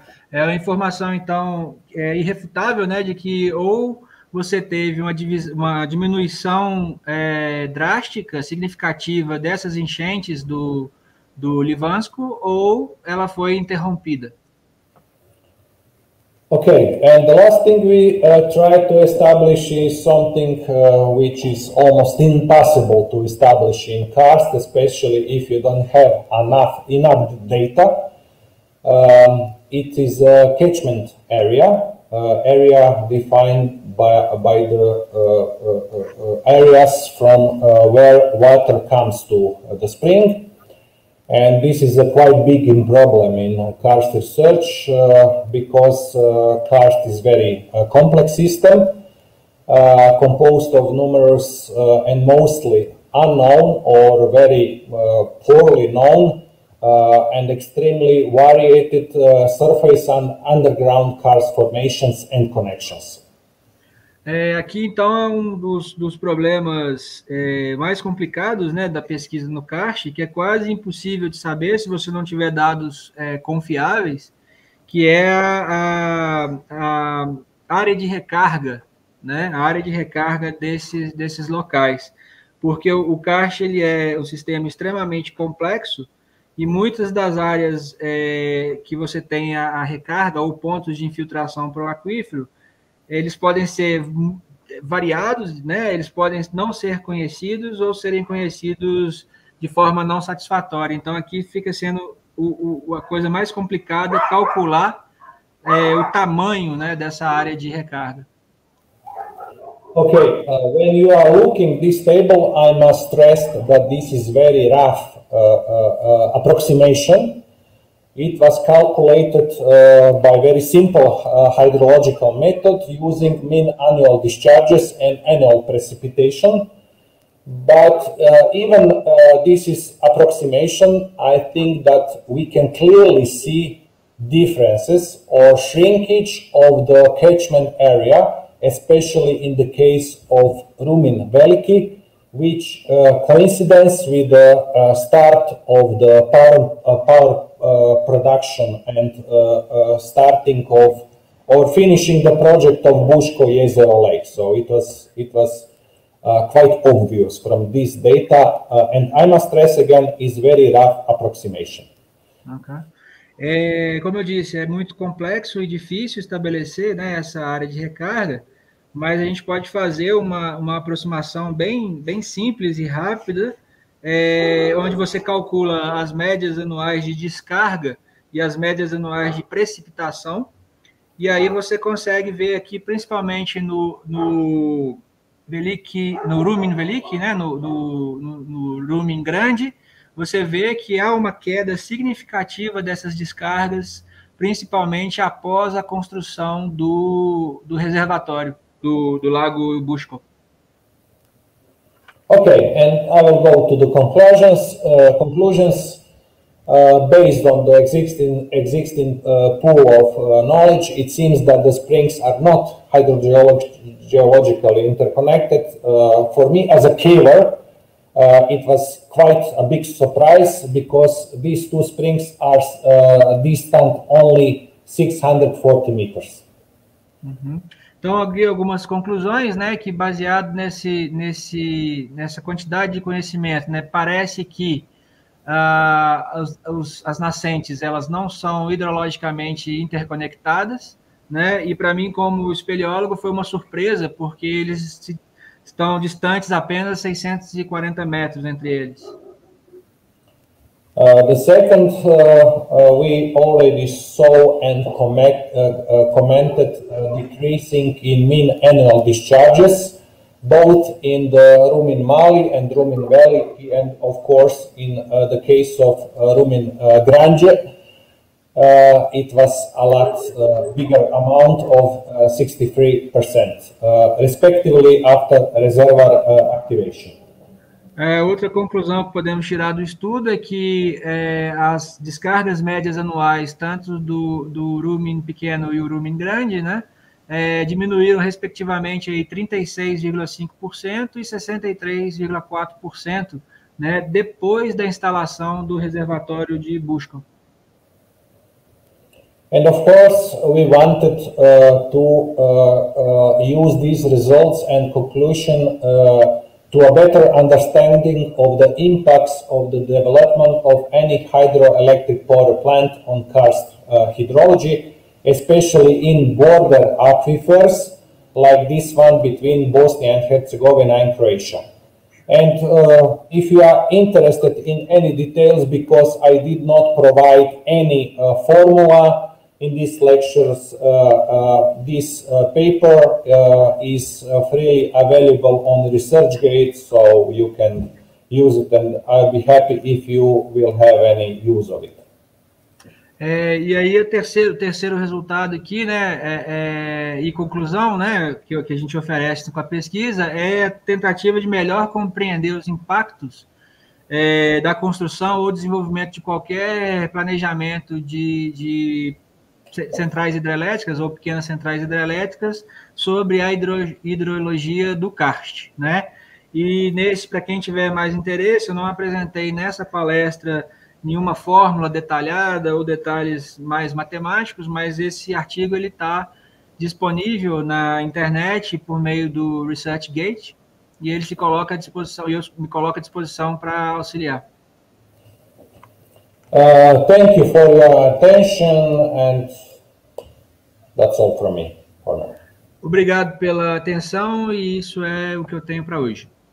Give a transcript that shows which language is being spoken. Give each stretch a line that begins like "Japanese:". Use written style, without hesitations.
Portuguese: É uma informação, então, irrefutável, né, de que ou você teve uma diminuição drástica, significativa, dessas enchentes do Livansko, ou ela foi interrompida.
English: Okay, and the last thing we try to establish is something which is almost impossible to establish in karst, especially if you don't have enough data. It is a catchment area, area defined by the areas from where water comes to the spring. And this is a quite big problem in karst research because karst is very complex system composed of numerous and mostly unknown or very poorly known and extremely variated surface and underground karst formations and connections.
Portuguese: Aqui, então, é um dos problemas mais complicados, né, da pesquisa no karst, que é quase impossível de saber se você não tiver dados confiáveis, que é a área de recarga, né, a área de recarga desses locais. Porque o karst, ele é um sistema extremamente complexo e muitas das áreas que você tem a recarga ou pontos de infiltração para o aquífero, eles podem ser variados, né? Eles podem não ser conhecidos ou serem conhecidos de forma não satisfatória. Então, aqui fica sendo a coisa mais complicada calcular o tamanho, né, dessa área de recarga.
English: Ok. When you are looking at this table, I must stress that this is very rough approximation. It was calculated by very simple hydrological method using mean annual discharges and annual precipitation. But even this is approximation, I think that we can clearly see differences or shrinkage of the catchment area, especially in the case of Rumin Veliki, which coincides with the start of the power production and starting of or finishing the project of Buško Jezero Lake. So it was quite obvious from this data. And I must stress again, is very rough approximation. Okay.
Portuguese: Como eu disse, é muito complexo e difícil estabelecer, né, essa área de recarga, mas a gente pode fazer uma aproximação bem, bem simples e rápida, onde você calcula as médias anuais de descarga e as médias anuais de precipitação, e aí você consegue ver aqui, principalmente no Veliki, no Rumin Veliki, né, no Rumin Grande, você vê que há uma queda significativa dessas descargas, principalmente após a construção do reservatório do Lago Buško.
English: Okay, and I will go to the conclusions. Based on the existing pool of knowledge, it seems that the springs are not hydrogeologically interconnected. For me, as a caver, it was quite a big surprise because these two springs are distant only 640 meters. Mm-hmm.
Portuguese: Então, aqui algumas conclusões, né, que baseado nessa quantidade de conhecimento, né, parece que as nascentes, elas não são hidrologicamente interconectadas, né, e para mim, como espeleólogo, foi uma surpresa, porque eles estão distantes apenas 640 metros entre eles.
English: The second, we already saw and commented decreasing in mean annual discharges, both in the Rumin Mali and Rumin Valley, and of course in the case of Rumin Grange, it was a lot bigger amount of 63%, respectively after reservoir activation.
Portuguese: Outra conclusão que podemos tirar do estudo é que as descargas médias anuais, tanto do Rumin pequeno e o Rumin grande, né, diminuíram respectivamente aí 36,5% e 63,4%, né, depois da instalação do reservatório de Buscom.
English: And of course, we wanted to use these results and conclusion to a better understanding of the impacts of the development of any hydroelectric power plant on karst hydrology, especially in border aquifers, like this one between Bosnia and Herzegovina and Croatia. And if you are interested in any details, because I did not provide any formula in these lectures, this paper is freely available on ResearchGate, so you can use it, and I'll be happy if you will have any use of it.
Portuguese: E aí, o terceiro resultado aqui, né, e conclusão, né, que a gente oferece com a pesquisa, é a tentativa de melhor compreender os impactos da construção ou desenvolvimento de qualquer planejamento de centrais hidrelétricas ou pequenas centrais hidrelétricas sobre a hidrologia do karst, né? E nesse, para quem tiver mais interesse, eu não apresentei nessa palestra nenhuma fórmula detalhada ou detalhes mais matemáticos, mas esse artigo ele está disponível na internet por meio do ResearchGate e ele se coloca à disposição, eu me coloco à disposição para auxiliar.
English: Thank you for your attention, and that's all from me for now.
Portuguese: Obrigado pela atenção, e isso é o que eu tenho para hoje.